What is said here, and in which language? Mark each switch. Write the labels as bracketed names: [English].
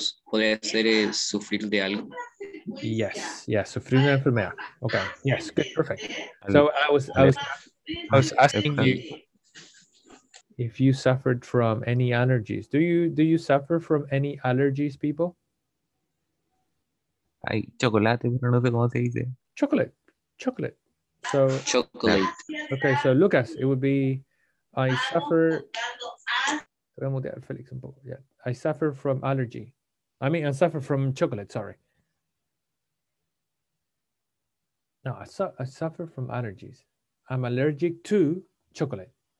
[Spanish] Puede ser sufrir de algo. [English] Yes, yes, [Spanish] sufrir de enfermedad. [English] Okay, yes, good, perfect. So I was asking you if you suffered from any allergies. Do you suffer from any allergies, people? [Spanish] Ay, chocolate, pero no sé cómo se dice. [English] Chocolate. So chocolate. Okay, so Lucas, it would be I suffer. Felix, yeah. I suffer from allergy. I mean, I suffer from chocolate, sorry. No, I suffer from allergies. I'm allergic to chocolate.